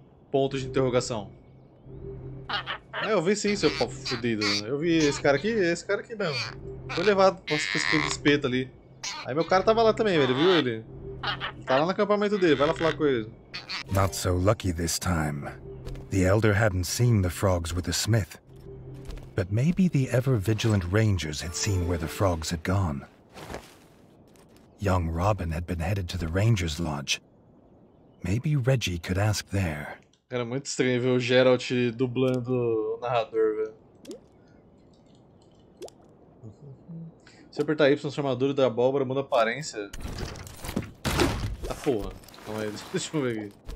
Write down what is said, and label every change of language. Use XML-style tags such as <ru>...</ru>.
<pt>Ponto de interrogação. Ah, eu vi sim, seu papo fudido. Eu vi esse cara aqui mesmo. Foi levado pra esse espeto ali. Aí meu cara tava lá também, velho, viu ele? Tá lá no acampamento dele, vai lá falar com ele.</pt> <en>Not so lucky this time. The elder hadn't seen the frogs with the smith. But maybe the ever vigilant rangers had seen where the frogs had gone. Young Robin had been headed to the ranger's lodge. Maybe Reggie could ask there.</en> <pt>Era muito estranho ver o Geralt dublando o narrador, velho. Se apertar Y, sua armadura da abóbora muda a aparência. Tá porra. Calma aí, deixa eu ver aqui.</pt>